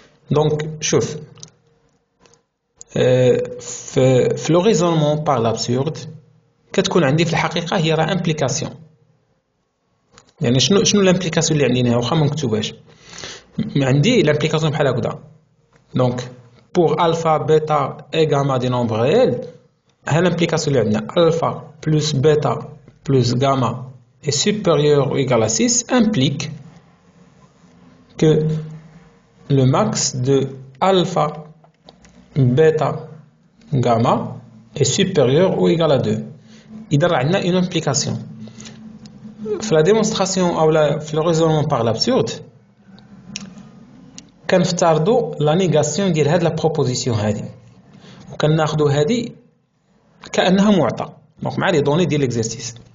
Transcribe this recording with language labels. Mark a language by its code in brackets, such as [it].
[ar] دونك شوف في لو ريزونمون بار لابسورد كتكون عندي في الحقيقه هي راه امبليكاسيون، يعني شنو الامبليكاسيون اللي عندنا واخا ما مكتوباش عندي الامبليكاسيون بحال هكذا. دونك [fr] pour alpha, beta et gamma des nombres réels, [ar] هل [fr] implication [ar] اللي عندنا [fr] alpha plus beta plus gamma est supérieur ou égal à 6 implique que le max de alpha beta gamma est supérieur ou égal à 2. Il y a une implication. Dans la démonstration ou le raisonnement par l'absurde, [ar] كنفترضوا لا نيغاسيون ديال هاد لا بروبوزيسيون هادي، وكناخذوا هادي كانها معطى دونك مع لي دوني ديال ليكزيرسيس.